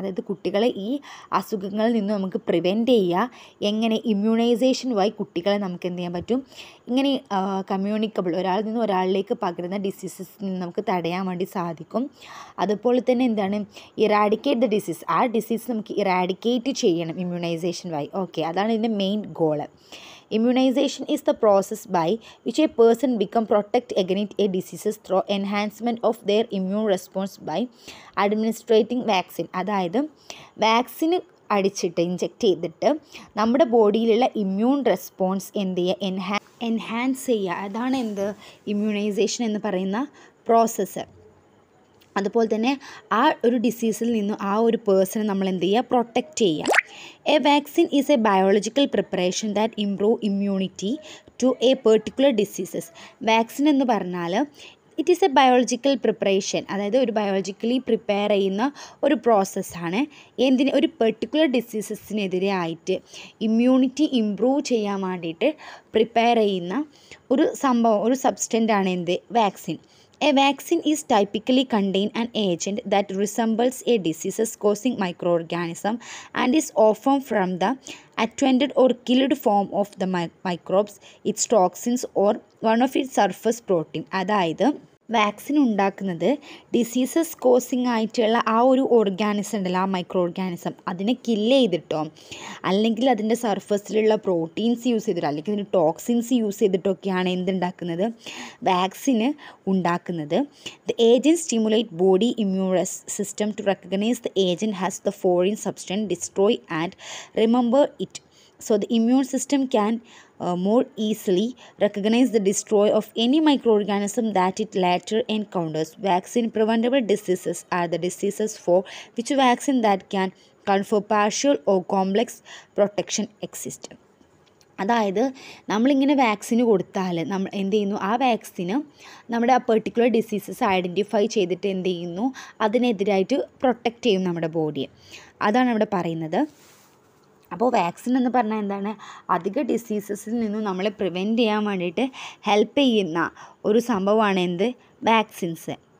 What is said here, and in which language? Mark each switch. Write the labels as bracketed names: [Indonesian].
[Malayalam] അതായത് കുട്ടികളെ ഈ അസുഖങ്ങളിൽ നിന്ന് നമുക്ക് പ്രിവെൻറ്റ് ചെയ്യുക, എങ്ങനെ ഇമ്മ്യൂണൈസേഷൻ വഴി കുട്ടികളെ നമുക്ക് എന്ത് ചെയ്യാൻ പറ്റും, ഇങ്ങനെ കമ്മ്യൂണിക്കബിൾ ഒരാളിൽ നിന്ന് ഒരാളിലേക്ക് പകരുന്ന ഡിസീസസ് നിന്ന് നമുക്ക് തടയാൻ വേണ്ടി സാധിക്കും. അതുപോലെ തന്നെ എന്താണ് [English] eradicate the disease, [Malayalam] ആ ഡിസീസ് നമുക്ക് ഇറാഡിക്കേറ്റ് ചെയ്യണം ഇമ്മ്യൂണൈസേഷൻ വഴി. ഓക്കെ, അതാണ് ഇതിൻ്റെ main goal. [English] Immunization is the process by which a person become protect against a disease through enhancement of their immune response by administering vaccine. [Malayalam] അതായത് vaccine അടിച്ചിട്ട് inject ചെയ്തിട്ട് നമ്മുടെ ബോഡിയിലുള്ള ഇമ്മ്യൂൺ റെസ്പോൺസ് എന്ത് ചെയ്യുക, എൻഹാൻസ് ചെയ്യുക. അതാണ് എന്ത് ഇമ്മ്യൂണൈസേഷൻ എന്ന് പറയുന്ന പ്രോസസ്സ്. അതുപോലെ തന്നെ ആ ഒരു ഡിസീസിൽ നിന്നും ആ ഒരു പേഴ്സണെ നമ്മൾ എന്ത് ചെയ്യുക, പ്രൊട്ടക്റ്റ് ചെയ്യുക. [English] A vaccine is a biological preparation that improve immunity to a particular diseases. [Malayalam] Vaccine എന്ന് പറഞ്ഞാൽ [English] it is a biological preparation, [Malayalam] അതായത് ഒരു ബയോളജിക്കലി പ്രിപ്പയർ ചെയ്യുന്ന ഒരു പ്രോസസ്സാണ്. എന്തിന്, ഒരു പെർട്ടിക്കുലർ ഡിസീസസിനെതിരെ ആയിട്ട് ഇമ്മ്യൂണിറ്റി ഇമ്പ്രൂവ് ചെയ്യാൻ വേണ്ടിയിട്ട് പ്രിപ്പയർ ചെയ്യുന്ന ഒരു സംഭവം, ഒരു സബ്സ്റ്റൻ്റാണ് എന്ത്, vaccine. [English] A vaccine is typically contain an agent that resembles a disease causing microorganism and is often from the attenuated or killed form of the microbes, its toxins or one of its surface protein. [Malayalam] അതായത് vaccine ഉണ്ടാക്കുന്നത് diseases causing ആയിട്ടുള്ള ആ ഒരു organism ഉണ്ടല്ലോ, ആ micro organism, അതിനെ kill ചെയ്തിട്ടോ അല്ലെങ്കിൽ അതിൻ്റെ സർഫസിലുള്ള പ്രോട്ടീൻസ് യൂസ് ചെയ്തിട്ടോ അല്ലെങ്കിൽ അതിൻ്റെ ടോക്സിൻസ് യൂസ് ചെയ്തിട്ടൊക്കെയാണ് എന്തുണ്ടാക്കുന്നത്, വാക്സിന് ഉണ്ടാക്കുന്നത്. [English] The agent stimulate body immune system to recognise the agent has the foreign substance destroy and remember it. So the immune system can more easily recognize the destroy of any microorganism that it later encounters. Vaccine preventable diseases are the diseases for which vaccine that can confer partial or complex protection exist. [Malayalam] അതായത് നമ്മളിങ്ങനെ വാക്സിന് കൊടുത്താൽ നമ്മൾ എന്ത് ചെയ്യുന്നു, ആ വാക്സിന് നമ്മുടെ ആ particular diseases identify ചെയ്തിട്ട് എന്ത് ചെയ്യുന്നു, അതിനെതിരായിട്ട് പ്രൊട്ടക്റ്റ് ചെയ്യും നമ്മുടെ ബോഡിയെ. അതാണ് ഇവിടെ പറയുന്നത്. അപ്പോൾ വാക്സിൻ എന്ന് പറഞ്ഞാൽ എന്താണ്, അധിക ഡിസീസസിൽ നിന്നും നമ്മളെ പ്രിവെൻറ്റ് ചെയ്യാൻ വേണ്ടിയിട്ട് ഹെൽപ്പ് ചെയ്യുന്ന ഒരു സംഭവമാണ് എന്ത്, വാക്സിൻസ്.